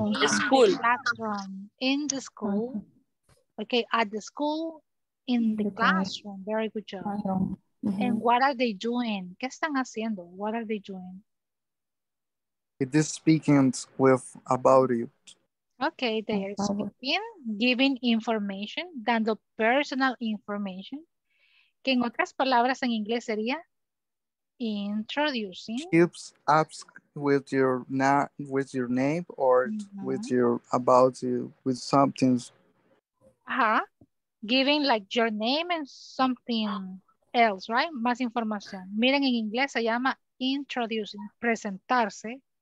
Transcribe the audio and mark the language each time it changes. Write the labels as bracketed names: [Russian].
[English] In the classroom. In the school. Okay, at the school, in the classroom. Very good job. And what are they doing? [Spanish] ¿Qué están haciendo? [English] What are they doing? It is speaking with about you. Okay, they are speaking, giving information, dando personal information. [Spanish] Que en otras palabras en inglés sería introducing. [English] Keeps ask with your name or with your about you with something. Giving like your name and something else, right? [Spanish] Más información. Miren, en inglés se llama introducing, presentarse.